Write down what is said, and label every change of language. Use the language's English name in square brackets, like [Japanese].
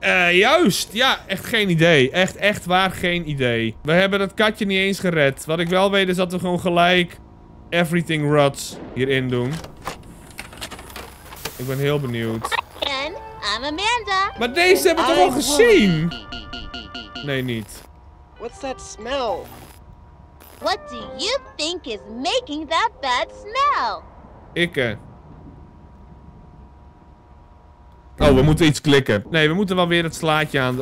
[Dutch] Juist, ja, echt geen idee. Echt waar geen idee. We hebben dat katje niet eens gered. Wat ik wel weet is dat we gewoon gelijk [English] everything rots [Dutch] hierin doen. Ik ben heel benieuwd. [English] Again, I'm Amanda. [Dutch] Maar deze hebben we toch al gezien? Nee, niet. [English] What's that smell? What do you think is making that bad smell? [Dutch] Ikke. Oh, we moeten iets klikken. Nee, we moeten wel weer het slaatje aan.